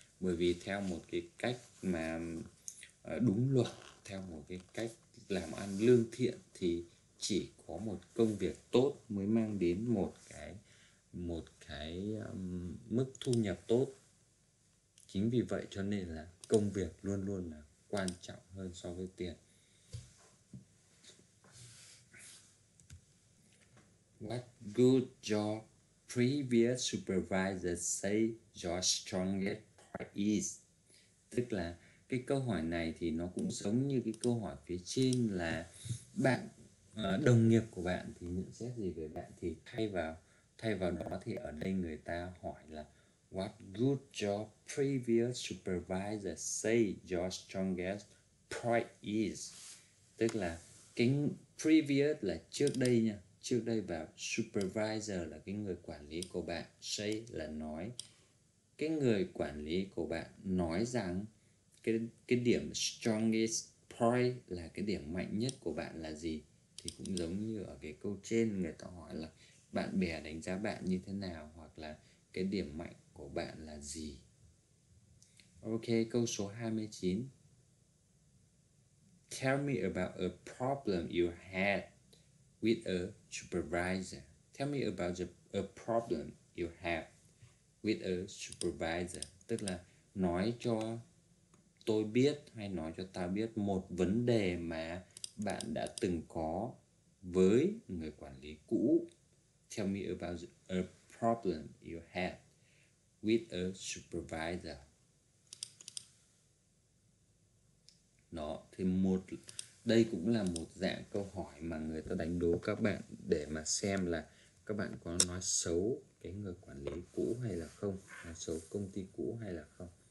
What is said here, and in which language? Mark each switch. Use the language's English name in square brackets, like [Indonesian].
[Vietnamese] Bởi vì theo một cái cách mà đúng luật, theo một cái cách làm ăn lương thiện, thì chỉ có một công việc tốt mới mang đến một cái mức thu nhập tốt. Chính vì vậy cho nên là công việc luôn luôn là quan trọng hơn so với tiền. [English] What good job previous supervisor say your strongest point is? [Vietnamese] Tức là cái câu hỏi này thì nó cũng giống như cái câu hỏi phía trên, là bạn đồng nghiệp của bạn thì nhận xét gì về bạn, thì thay vào đó thì ở đây người ta hỏi là [English] what good job previous supervisor say your strongest point is? [Vietnamese] Tức là cái previous là trước đây nha, trước đây, và supervisor là cái người quản lý của bạn, say là nói, cái người quản lý của bạn nói rằng cái điểm strongest point là cái điểm mạnh nhất của bạn là gì. Thì cũng giống như ở cái câu trên, người ta hỏi là bạn bè đánh giá bạn như thế nào, hoặc là cái điểm mạnh của bạn là gì. Ok, câu số 29. [English] Tell me about a problem you had with a supervisor. Tell me about a problem you have with a supervisor. [Vietnamese] Tức là nói cho tôi biết, hay nói cho tao biết một vấn đề mà bạn đã từng có với người quản lý cũ. [English] Tell me about a problem you had with a supervisor. [Vietnamese] Đó, thì một đây cũng là một dạng câu hỏi mà người ta đánh đố các bạn để mà xem là các bạn có nói xấu cái người quản lý cũ hay là không, nói xấu công ty cũ hay là không.